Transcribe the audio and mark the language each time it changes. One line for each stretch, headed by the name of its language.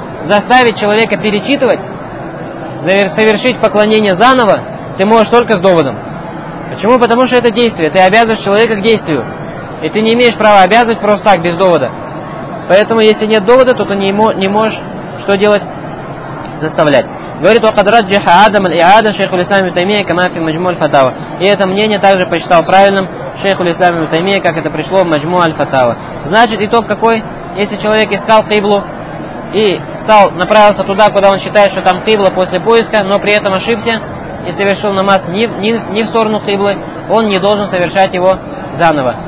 Russian: Заставить человека перечитывать, совершить поклонение заново, ты можешь только с доводом. Почему? Потому что это действие. Ты обязываешь человека к действию. И ты не имеешь права обязывать просто так, без довода. Поэтому, если нет довода, то ты не можешь что делать? Заставлять. Говорит,
Arabic: وَقَدْ رَجَّحَ عَدَمَ الْإِعَادَ شَيْخُ الْإِسْلَامِ بِتَيْمِيَ كَمَا فِي مَجْمُوعِ الْفَتَاوَى.
Russian: И это мнение также посчитал правильным шейху ислама ибн Таймия, как это пришло в Маджму аль-Фатава. Значит, итог какой? Если человек искал Кыблу и направился туда, куда он считает, что там Кыбла после поиска, но при этом ошибся и совершил намаз не в сторону Кыблы, он не должен совершать его заново.